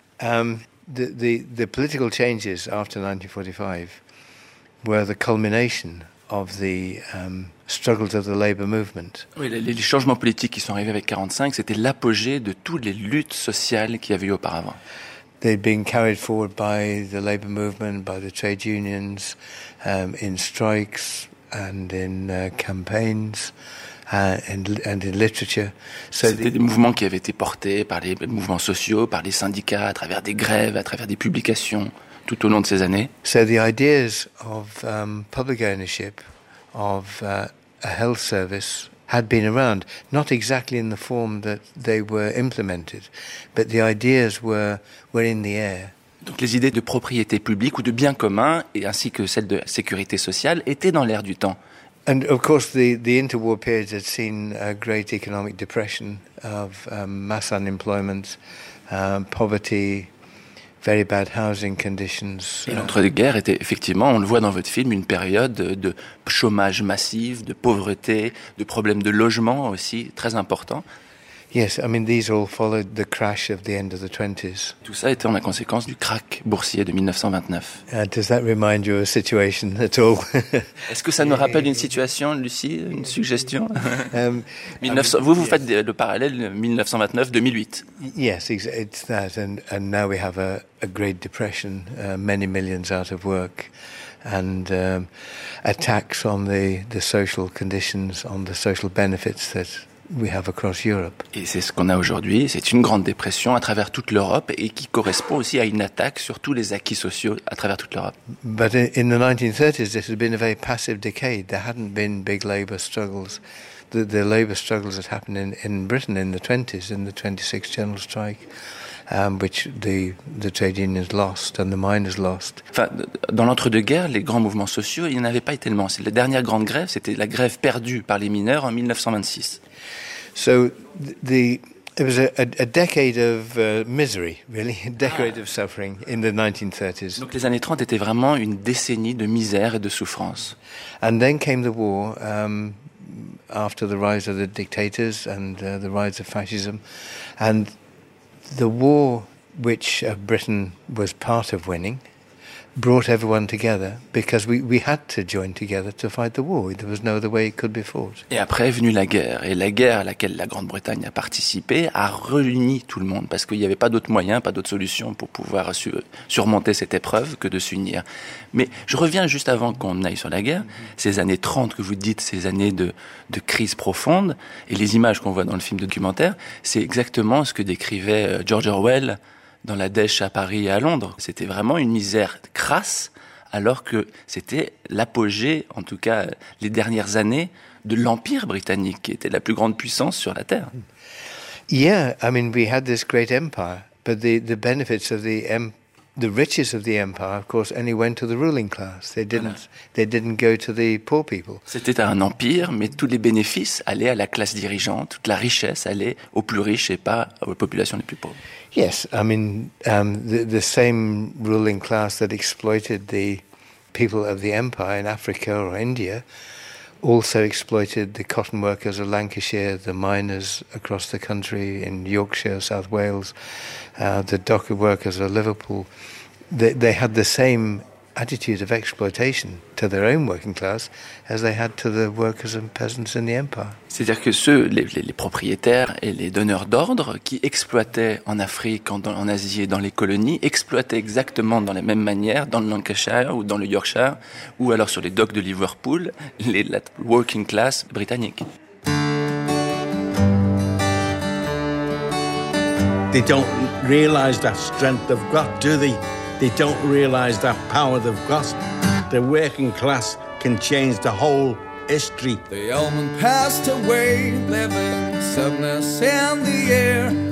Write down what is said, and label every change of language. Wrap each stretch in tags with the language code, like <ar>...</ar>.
<en>The political changes after 1945 were the culmination of the struggles of the labor movement.</en> <fr>Oui, les changements politiques qui sont arrivés avec 45, c'était l'apogée de toutes les luttes sociales qu'il y avait eu auparavant.</fr> <en>They'd been carried forward by the labor movement, by the trade unions, in strikes and in campaigns. And in literature.</en> <fr>So c'était des mouvements qui avaient été portés par les mouvements sociaux, par les syndicats, à travers des grèves, à travers des publications, tout au long de ces années.</fr> <en>So the ideas of public ownership of a health service had been around, not exactly in the form that they were implemented, but the ideas were in the air.</en> <fr>Donc les idées de propriété publique ou de bien commun, et ainsi que celles de sécurité sociale, étaient dans l'air du temps.</fr> <en>And of course, the interwar period had seen a great economic depression of mass unemployment, poverty, very bad housing conditions.</en> <fr>Et l'entre-deux-guerres était effectivement, on le voit dans votre film, une période de chômage massif, de pauvreté, de problèmes de logement aussi très importants.</fr> <en>Yes, I mean these all followed the crash of the end of the 20s.</en> <fr>Tout ça était en la conséquence du krach boursier de 1929.</fr> <en>Does that remind you of a situation at all?</en> <fr>Est-ce que ça nous rappelle une situation, Lucie, une suggestion? Vous faites le parallèle 1929-2008.</fr> <en>Yes, it's that and now we have a great depression, many millions out of work. And attacks on the social conditions, on the social benefits that we have across Europe.</en> <fr>Et c'est ce qu'on a aujourd'hui, c'est une grande dépression à travers toute l'Europe et qui correspond aussi à une attaque sur tous les acquis sociaux à travers toute l'Europe.</fr> <en>But in the 1930s, this had been a very passive decade. There hadn't been big labor struggles. The labor struggles that happened in Britain in the 20s, in the 26 general strike, which the trade unions lost and the miners lost.</en> <fr>Enfin, dans l'entre-deux-guerres, les grands mouvements sociaux, il n'y en avait pas tellement. La dernière grande grève, c'était la grève perdue par les mineurs en 1926.</fr> <en>So it was a decade of misery, really, a decade of suffering in the 1930s.</en> <fr>Donc les années 30 étaient vraiment une décennie de misère et de souffrance.</fr> <en>And then came the war, after the rise of the dictators and the rise of fascism. And the war, which Britain was part of winning, brought everyone together because we had to join together to fight the war. There was no other way it could be fought.</en> <fr>Et après est venue la guerre, et la guerre à laquelle la Grande-Bretagne a participé a réuni tout le monde parce qu'il n'y avait pas d'autre moyen, pas d'autre solution pour pouvoir surmonter cette épreuve que de s'unir. Mais je reviens juste avant qu'on aille sur la guerre, ces années 30 que vous dites, ces années de crise profonde, et les images qu'on voit dans le film documentaire, c'est exactement ce que décrivait George Orwell dans la dèche à Paris et à Londres. C'était vraiment une misère crasse, alors que c'était l'apogée, en tout cas les dernières années, de l'Empire britannique, qui était la plus grande puissance sur la Terre.</fr> <en>Yeah, I mean, we had this great empire, but the benefits of the riches of the empire, of course, only went to the ruling class. They didn't go to the poor people.</en> <fr>C'était un empire, mais tous les bénéfices allaient à la classe dirigeante, toute la richesse allait aux plus riches et pas aux populations les plus pauvres.</fr> <en>Yes, I mean, the same ruling class that exploited the people of the empire in Africa or India also exploited the cotton workers of Lancashire, the miners across the country in Yorkshire, South Wales, the docker workers of Liverpool. They had the same attitude of exploitation to their own working class as they had to the workers and peasants in the empire.</en> <fr>C'est-à-dire que ceux, les propriétaires et les donneurs d'ordre qui exploitaient en Afrique, en Asie et dans les colonies, exploitaient exactement dans la même manière dans le Lancashire ou dans le Yorkshire ou alors sur les docks de Liverpool, la working class britannique.</fr> <en>They don't realize that strength of God, do they? They don't realize that power they've got. The working class can change the whole history. The yeoman passed away, leaving sadness in the air.</en>